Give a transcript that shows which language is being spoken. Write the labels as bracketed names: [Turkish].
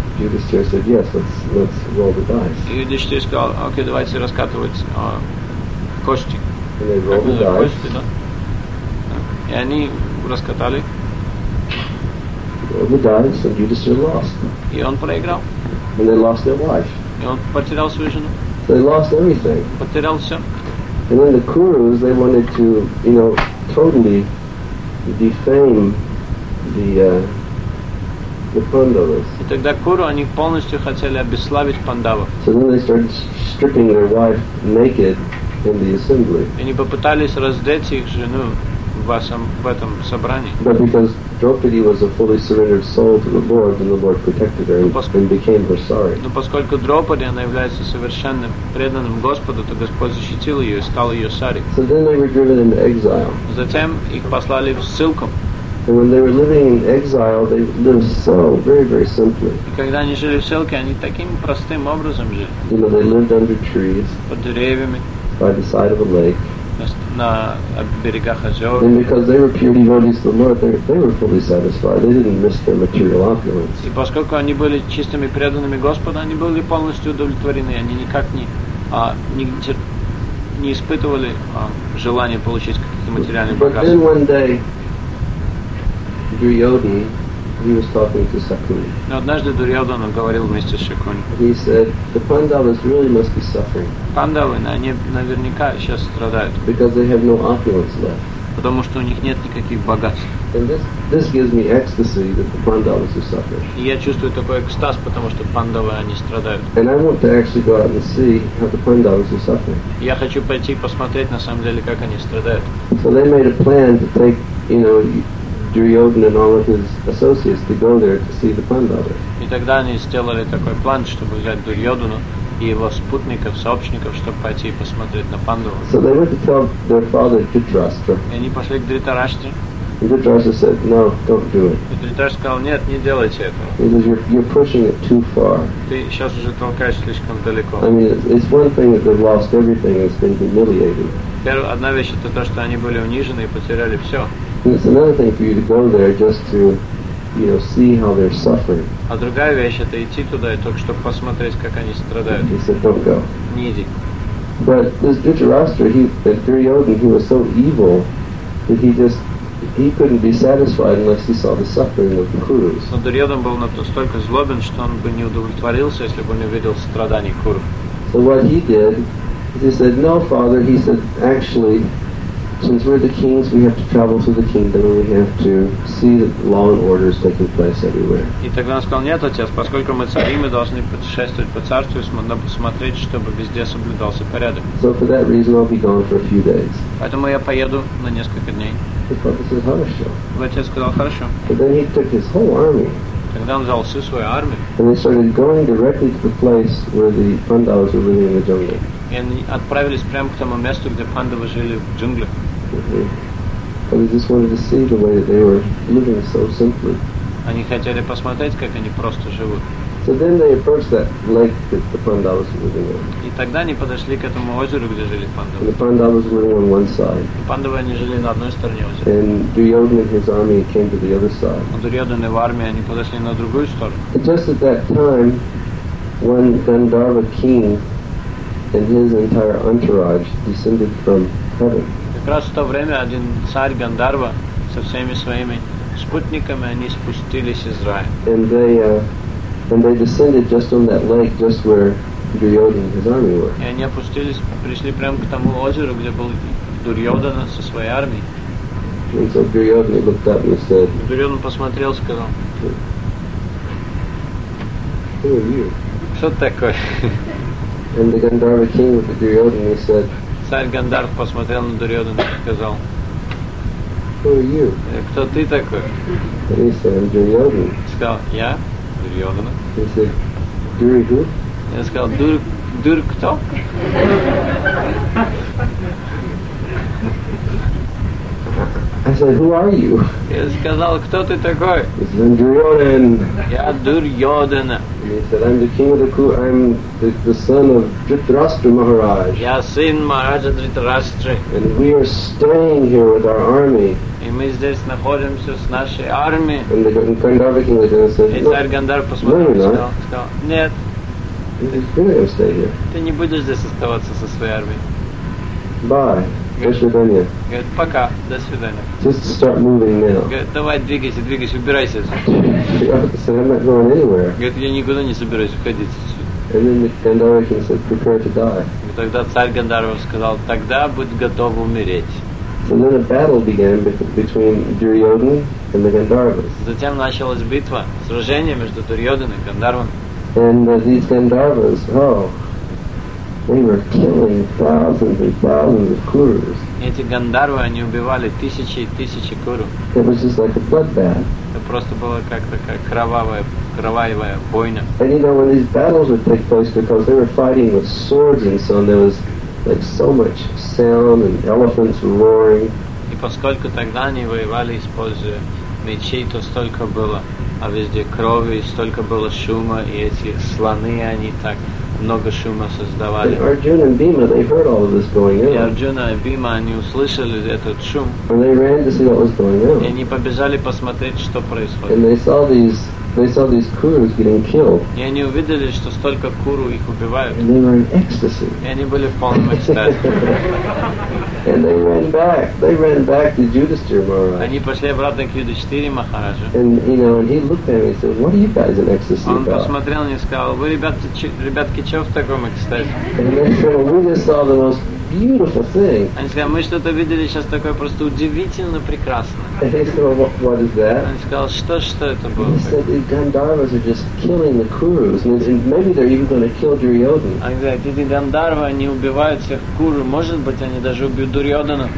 [English] Yudhishthira said, "Yes, let's roll the dice." [Russian] И Юдиштир сказал, окей, давайте раскатывать кости. [English] And they rolled the dice. [Russian] Кости, да? И они раскатали. [English] Rolled the dice, and Yudhishthira lost. [Russian] И он проиграл. [English] And they lost their wife. [Russian] И он потерял свою жену. [English] So they lost everything. [Russian] Потерял все. [English] And then the Kurus, they wanted to, you know, totally defame the Pandavas. [Russian] И тогда Куру, они полностью хотели обесславить Пандавов. [English] So then they started stripping their wife naked in the assembly. [Russian] И они попытались раздеть их жену. В этом собрании. [English] But because Draupadi was a fully surrendered soul to the Lord, then the Lord protected her and became her sari. [Russian] Но поскольку Драупади она является совершенно преданным Господу, то Господь защитил ее и стал ее сари. [English] So then they were driven into exile. [Russian] Затем их послали в ссылку. [English] And when they were living in exile, they lived so very, very simply. [Russian] И когда они жили в ссылке, они таким простым образом жили. [English] You know, they lived under trees. [Russian] Под деревьями. [English] By the side of a lake. [Russian] На берегах озер. [English] And because they were pure devotees of the Lord, they were fully satisfied. They didn't miss their material opulence. [Russian] И поскольку они были чистыми преданными Господу, они были полностью удовлетворены. Они никак не испытывали желания получить какие-то материальные богатства. [English] But then one day, Duryodhan, he was talking to Shakuni. [Russian] Но однажды Дурьодан говорил вместе с Шакуни. [English] He said, the Pandavas really must be suffering. [Russian] Пандавы, они наверняка сейчас страдают. [English] Because they have no opulence left. [Russian] Потому что у них нет никаких богатств. [English] And this gives me ecstasy that the Pandavas are suffering. [Russian] И я чувствую такой экстаз, потому что Пандавы, они страдают. [English] And I want to actually go out and see how the Pandavas are suffering. [Russian] Я хочу пойти посмотреть, на самом деле, как они страдают. [English] So they made a plan to take, you know, Duryodhan and all of his associates to go there to see the Pandavas. [Russian] И тогда они сделали такой план, чтобы взять Дурьодхану и его спутников, сообщников, чтобы пойти и посмотреть на Пандаву. [English] So they went to tell their father Dhritarashtra. [Russian] И они пошли к Дритараштре. [English] And Dhritarashtra said, "No, don't do it." [Russian] И Дритараштра сказал, "Нет, не делайте этого." [English] He says, "You're pushing it too far." [Russian] Ты сейчас уже толкаешь слишком далеко. [English] I mean, it's one thing that they've lost everything and it's been humiliated. [Russian] Первая одна вещь это то, что они были унижены и потеряли все. [English] And it's another thing for you to go there just to, you know, see how they're suffering. [Russian] А другая вещь это идти туда и только чтобы посмотреть, как они страдают. [English] He said, "Don't go." [Russian] Не иди. [English] But this Dhritarashtra, Duryodhan, he was so evil that he couldn't be satisfied unless he saw the suffering of the Kurus. [Russian] Но Дурьодан был настолько злобен, что он бы не удовлетворился, если бы не видел страданий Куру. [English] So what he did is he said, "No, Father." He said, "Actually, since we're the kings, we have to travel through the kingdom and we have to see that law and order is taking place everywhere." [Russian] И тогда он сказал, "Нет, отец, поскольку мы цари, мы должны путешествовать по царству, надо посмотреть, чтобы везде соблюдался порядок." [English] So for that reason, I'll be gone for a few days. [Russian] Поэтому я поеду на несколько дней. [English] The father said, [Russian] "Хорошо." Отец сказал, "Хорошо." [English] But then he took his whole army. [Russian] Тогда он взял всю свою армию. [English] And they started going directly to the place where the Pandavas were living in the jungle. [Russian] И они отправились прямо к тому месту, где Пандавы жили в джунглях. Mm-hmm. [English] But they just wanted to see the way that they were living so simply. [Russian] Они хотели посмотреть, как они просто живут. [English] So then they approached that lake that the Pandavas were living on. [Russian] И тогда они подошли к этому озеру, где жили Пандавы. [English] And the Pandavas were living on one side. [Russian] И Пандавы они жили на одной стороне озера. [English] And Duryodhan and his army came to the other side. [Russian] А Дурьодан и его армия они подошли на другую сторону. [English] And just at that time, when Gandharva king and his entire entourage descended from heaven. [Russian] Как раз в то время один царь Гандарва со всеми своими спутниками они спустились из рая. [English] And they descended just on that lake, just where Duryodhan and his army were. [Russian] И они опустились, пришли прямо к тому озеру, где был Дурьодан со своей армией. [English] And so Duryodhan looked up and said. [Russian] Дурьодан посмотрел, сказал. [English] Who are you? [Russian] Что такое? [English] And the Gandharva king with the Duryodhana said, [Russian] царь Гандхарв посмотрел на Дурьодхану и сказал, [English] who are you? [Russian] Кто ты такой? [English] And he said, I'm Duryodhana. [Russian] Сказал, я Дурьодхана. [English] He said, Дури who? [Russian] Я сказал, Дур кто? [English] I said, who are you? [Russian] Я сказал, кто ты такой? [English] He said, I'm Duryodhana. [Russian] Я Дурьодхана. [English] He said, I'm the king of the Kuru, I'm the son of Dhritarashtra Maharaj. [Russian] Я сын Махараджа Дхритарашты. [English] And we are staying here with our army. [Russian] И мы здесь находимся с нашей армией. [English] And the Gandharva king said, no, [Russian] и царь Гандхарв посмотрел, [English] no, [Russian] сказал, нет. [English] You're not stay here. [Russian] Ты не будешь здесь оставаться со своей армией. [English] Bye. [Russian] До свидания. Говорит, пока, до свидания. [English] Just start moving now. [Russian] Говорит, давай двигайся, убирайся. [English] So I'm not going anywhere. [Russian] Говорит, я никуда не собираюсь уходить отсюда. [English] And then the Gandharva king said, prepare to die. [Russian] И тогда царь Гандхарва сказал, тогда будь готов умереть. [English] So then a battle began between Duryodhana and the Gandharvas. [Russian] Затем началась битва, сражение между Дурьодханой и Гандхарвами. [English] And these Gandharvas, oh, they were killing thousands and thousands of Kurus. [Russian] Эти Гандхарвы, они убивали тысячи и тысячи Куру. [English] It was just like a bloodbath. [Russian] Это просто была как такая кровавая бойня. [English] And you know, when these battles would take place, because they were fighting with swords and so on, there was like so much sound and elephants roaring. [Russian] И поскольку тогда они воевали, используя мечи, то столько было, а везде крови, столько было шума, и эти слоны, они так много шума создавали. [English] And Arjuna and Bhima, they heard all of this going on. [Russian] И Арджуна и Бима, они услышали этот шум. [English] And they ran to see what was going on. [Russian] И они побежали посмотреть, что происходит. [English] And they saw these Kurus getting killed. [Russian] И они увидели, что столько Куру их убивают. [English] And they were in ecstasy. [Russian] И они были в полном экстазе. [English] And they ran back to Yudhishthira Maharaj. [Russian] Они пошли обратно к Юдиштире Махараджу. [English] And you know, and he looked at me and said, what are you guys in ecstasy [Russian] он [English] about? [Russian] Он посмотрел на меня и сказал, вы, ребятки, что в таком экстазе? [English] And they said, we just saw the most beautiful thing. [Russian] Они сказали, мы что-то видели сейчас такое просто удивительно прекрасное. [English] And he said, what is that? [Russian] Он сказал, что это было? [English] And he said, the Gandharvas are just killing the Kurus. And said, maybe they're even going to kill Duryodhana. [Russian] Они говорят, эти Гандхарвы, они убивают всех Куру. Может быть, они даже убьют Дурьодхана.